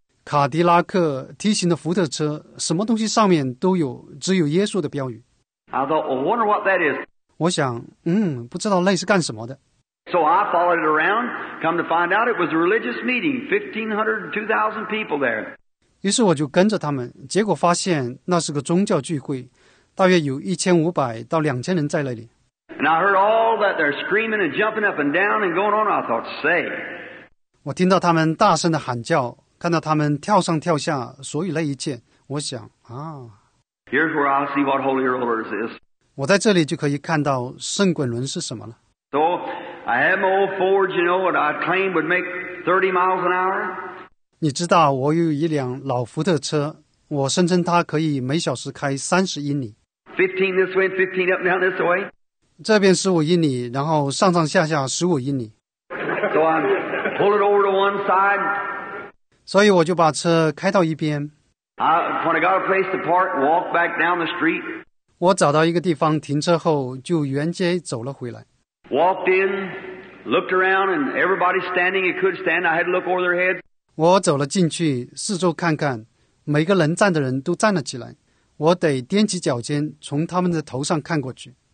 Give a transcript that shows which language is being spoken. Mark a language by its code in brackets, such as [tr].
[zh] 卡迪拉克、T 型的福特车，什么东西上面都有只有耶稣的标语。 [en] I thought, I wonder what that is. [zh] 我想，不知道那是干什么的。 [en] So I followed it around, come to find out it was a religious meeting, 1,500 to 2,000 people there. [zh] 于是我就跟着他们，结果发现那是个宗教聚会，大约有1500到2000人在那里。 [en] And I heard all that they're screaming and jumping up and down and going on, I thought, say. [zh] 我听到他们大声的喊叫，看到他们跳上跳下，所以那一切，我想，啊。 [en] Here's where I see what Holy Rollers is. [zh] 我在这里就可以看到圣滚轮是什么了。 [en] So,I have my old Ford, you know, and I claimed would make 30 miles an hour. [zh] 你知道我有一辆老福特车，我声称它可以每小时开30英里。 [en] 15 this way, 15 up and down this way. [zh] 这边15英里，然后上上下下15英里。 [en] So I pull it over to one side. [zh] 所以我就把车开到一边。 [en] When I got a place to park, walk back down the street. [zh] 我找到一个地方停车后，就沿街走了回来。 [en] Walked in, looked around, and everybody standing, it could stand. I had to look over their heads. [zh] 我走了进去，四周看看，每个能站的人都站了起来。我得踮起脚尖，从他们的头上看过去。